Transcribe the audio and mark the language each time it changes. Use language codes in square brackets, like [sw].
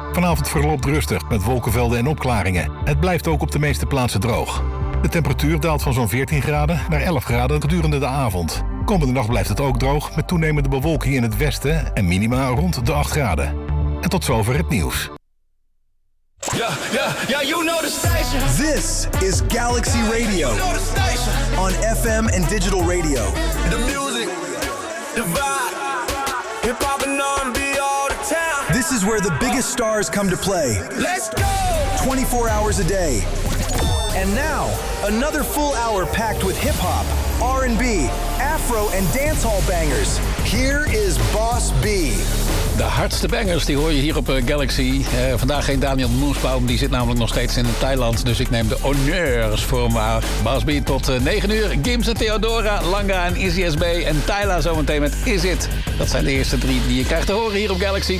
[nl] Vanavond verloopt rustig met wolkenvelden en opklaringen. Het blijft ook op de meeste plaatsen droog. De temperatuur daalt van zo'n 14 graden naar 11 graden gedurende de avond. Komende nacht blijft het ook droog met toenemende bewolking in het westen en minima rond de 8 graden. En tot zover het nieuws. [en] Yeah, you know the station. This is Galaxy Radio. You know the station. On FM and digital radio. The music, the vibe, hip hop and R&B all the time. This is where the biggest stars come to play. Let's go! 24 hours a day. And now, another full hour packed with hip hop, R&B, Afro and dancehall bangers. Here is Boss B. [nl] De hardste bangers, die hoor je hier op Galaxy. Vandaag geen Daniel Moesbaum, die zit namelijk nog steeds in Thailand. Dus ik neem de honneurs voor hem aan. Boss B tot 9 uur. Gims en Theodora, Langa en Izzy SB en Tyla zometeen met Is It. Dat zijn de eerste drie die je krijgt te horen hier op Galaxy.